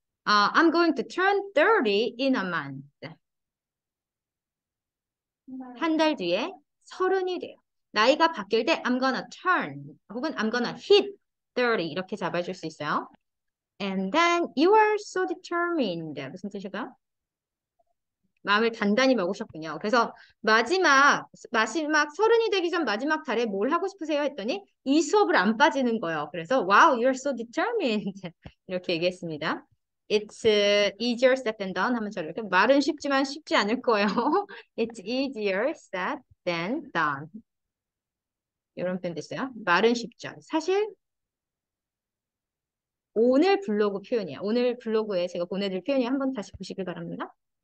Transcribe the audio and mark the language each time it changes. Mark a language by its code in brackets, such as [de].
[en] I'm going to turn 30 in a month. [ko] 한달 뒤에 서른이 돼요. 나이가 바뀔 때 [en] I'm gonna turn [ko] 혹은 [en] I'm gonna hit 30 [ko] 이렇게 잡아줄 수 있어요. [en] And then you are so determined. [ko] 무슨 뜻일까요? 마음을 단단히 먹으셨군요. 그래서 마지막 서른이 되기 전 마지막 달에 뭘 하고 싶으세요? 했더니 이 수업을 안 빠지는 거예요. 그래서 와우, [en] wow, you're so determined. [ko] 이렇게 얘기했습니다. [en] It's easier said than done. [ko] 하면 저를 이렇게 말은 쉽지만 쉽지 않을 거예요. [en] It's easier said than done. [ko] 이런 표현 됐어요. 말은 쉽죠. 사실 오늘 블로그 표현이에요. 오늘 블로그에 제가 보내드릴 표현이 한번 다시 보시길 바랍니다.